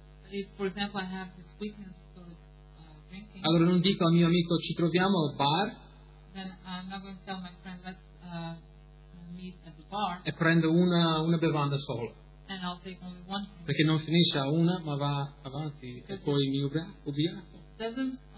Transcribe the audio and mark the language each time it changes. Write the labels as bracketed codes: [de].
[en] if, for example, I have this weakness towards drinking, [it] allora non dico al mio amico ci troviamo al bar, [en] then I'm not going to tell my friend let's meet at the bar, [it] e prendo una bevanda sola. [en] And I'll take only one. [it] Perché non finisce a una ma va avanti e poi mi ubriaco.